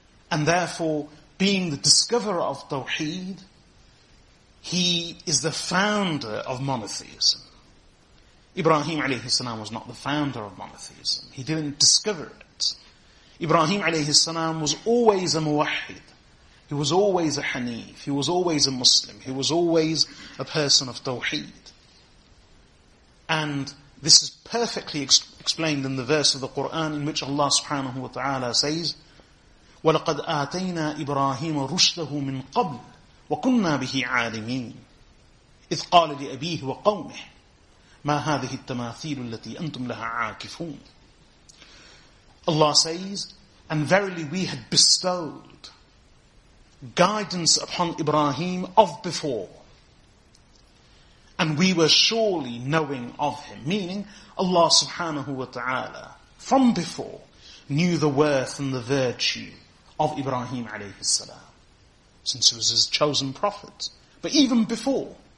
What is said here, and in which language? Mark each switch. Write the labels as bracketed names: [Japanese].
[English] And therefore, being the discoverer of tawheed, he is the founder of monotheism. Ibrahim alayhi salam was not the founder of monotheism. He didn't discover it. Ibrahim alayhi salam was always a muwahid. He was always a hanif. He was always a Muslim. He was always a person of tawheed. And this is perfectly explained in the verse of the Quran in which Allah subhanahu wa ta'ala says, [Arabic] وَلَقَدْ آتَيْنَا إِبْرَاهِيمَ رُشْدَهُ مِنْ قَبْلِ وَكُنَّا بِهِ عَالِمِينَ إِذْ قَالَ لِأَبِيهِ وَقَوْمِهِ مَا هَذِهِ التَّمَاثِيلُ الَّتِي أَنْتُمْ لَهَا عَاكِفُونَ. [English] Allah says, and verily we had bestowed guidance upon Ibrahim of before, and we were surely knowing of him, meaning Allah subhanahu wa ta'ala from before knew the worth and the virtue of Ibrahim alayhi salam, since he was his chosen prophet, but even before.